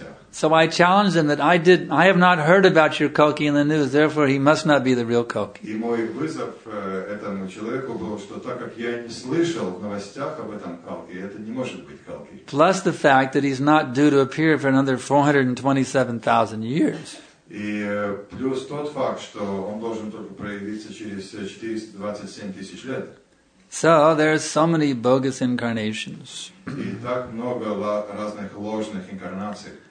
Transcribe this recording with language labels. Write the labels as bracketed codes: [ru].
[en] So I challenged him that I have not heard about your Kalki in the news, therefore he must not be the real Kalki. [ru] И мой вызов этому человеку был, что так как я не слышал в новостях об этом Kalki, это не может быть Kalki. [en] Plus the fact that he's not due to appear for another 427,000 years. [ru] И плюс тот факт, что он должен только проявиться через 427 тысяч лет. [en] So there are so many bogus incarnations. [ru] И так много разных ложных инкарнаций.